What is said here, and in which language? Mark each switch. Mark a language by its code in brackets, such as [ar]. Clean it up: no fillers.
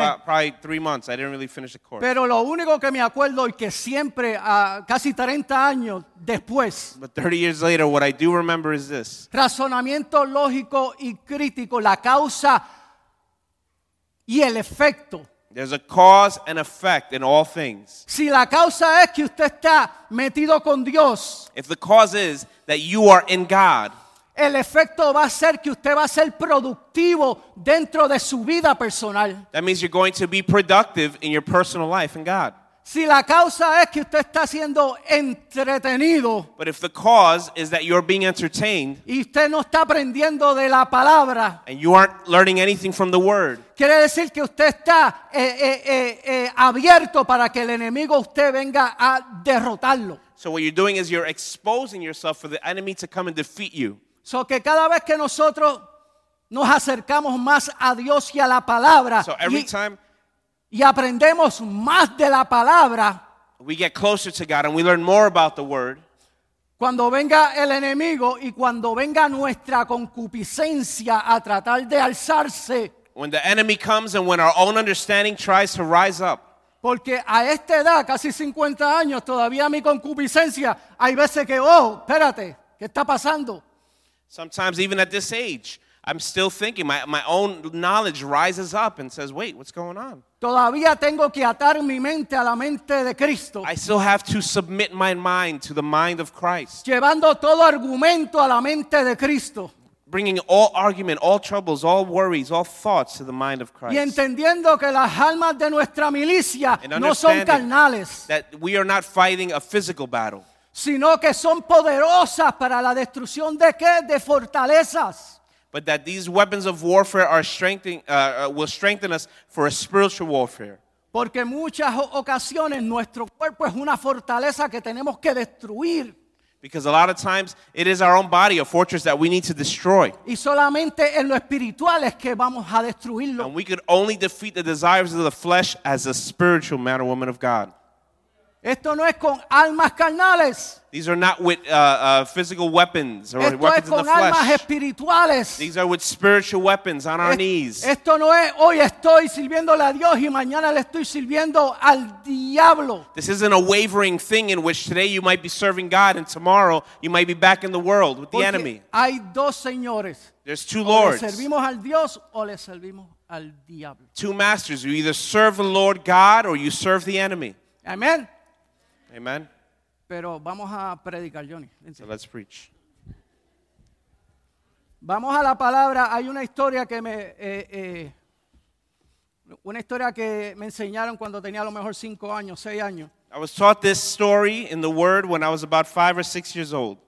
[en] For about probably 3 months. I didn't really finish the course. [es] Pero lo único que me acuerdo y que siempre, casi 30 años después. [en] But 30 years later, what I do remember is this. [es] Razonamiento lógico y crítico, la causa y el efecto. [en] There's a cause and effect in all things. [es] Si la causa es que usted está metido con Dios. [en] If the cause is that you are in God. [es] El efecto va a ser que usted va a ser productivo dentro de su vida personal. [en] That means you're going to be productive in your personal life in God. [es] Si la causa es que usted está siendo entretenido. [en] But if the cause is that you're being entertained. [es] Y usted no está aprendiendo de la palabra. [en] And you aren't learning anything from the word. [es] Quiere decir que usted está abierto para que el enemigo usted venga a derrotarlo. [en] So what you're doing is you're exposing yourself for the enemy to come and defeat you. [es] So que cada vez que nosotros nos acercamos más a Dios y a la palabra. [en] So every time. [es] Y aprendemos más de la palabra. [en] We get closer to God and we learn more about the word. [es] Cuando venga el enemigo y cuando venga nuestra concupiscencia a tratar de alzarse. [en] When the enemy comes and when our own understanding tries to rise up. [es] Porque a esta edad, casi 50 años, todavía mi concupiscencia, hay veces que, oh, espérate, ¿qué está pasando? [en] Sometimes even at this age, I'm still thinking, my own knowledge rises up and says, wait, what's going on? [es] Todavía tengo que atar mi mente a la mente de Cristo. [en] I still have to submit my mind to the mind of Christ. [es] Llevando todo argumento a la mente de Cristo. [en] Bringing all argument, all troubles, all worries, all thoughts to the mind of Christ. [es] Y entendiendo que las almas de nuestra milicia no son carnales. [en] That we are not fighting a physical battle. [es] Sino que son poderosas para la destrucción de qué? De fortalezas. [en] But that these weapons of warfare are strengthening, will strengthen us for a spiritual warfare. [es] Porque muchas ocasiones nuestro cuerpo es una fortaleza que tenemos que destruir. [en] Because a lot of times it is our own body, a fortress that we need to destroy. [es] Y solamente en lo espiritual es que vamos a destruirlo. [en] And we could only defeat the desires of the flesh as a spiritual man or woman of God. [es] Esto no es con almas carnales. [en] These are not with physical weapons or [es] esto [en] weapons [es] es con [en] in the flesh. [es] Almas espirituales. [en] These are with spiritual weapons on our knees. [es] Esto no es hoy estoy sirviéndole a Dios y mañana le estoy sirviendo al diablo. [en] This isn't a wavering thing in which today you might be serving God and tomorrow you might be back in the world with [es] Porque [en] the enemy. [es] Hay dos señores. [en] There's two lords. [es] O le servimos al Dios o le servimos al diablo. [en] Two masters. You either serve the Lord God or you serve the enemy. Amen. Amen. [es] Pero vamos a predicar, Johnny. [en] So let's preach. [es] Vamos a la palabra. Hay una historia que me me enseñaron cuando tenía a lo mejor 5 años, 6 años. [en] I was taught this story in the Word when I was about 5 or 6 years old.